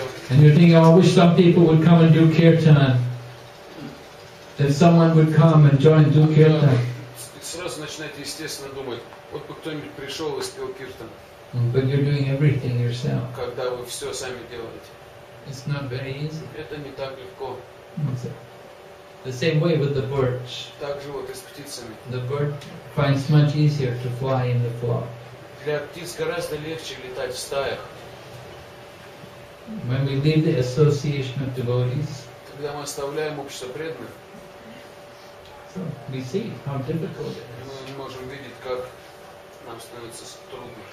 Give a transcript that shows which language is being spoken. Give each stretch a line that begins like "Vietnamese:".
English: And you're thinking, oh, I wish some people would come and do kirtan. Then someone would come and join do kirtan.
Russian: Сразу начинаете естественно думать, вот бы кто-нибудь пришел и спел киртан.
English: But you're doing everything yourself.
Russian: Когда вы все сами делаете.
English: It's not very easy.
Russian: Это не так легко.
English: The same way with the birds.
Russian: Так же вот и с птицами.
English: The bird finds much easier to fly in the flock.
Russian: Для птиц гораздо легче летать в стаях.
English: When we leave the association of devotees,
Russian: когда мы оставляем общество преданных,
English: so we see how difficult it is.
Russian: Мы можем видеть, как нам становится трудно.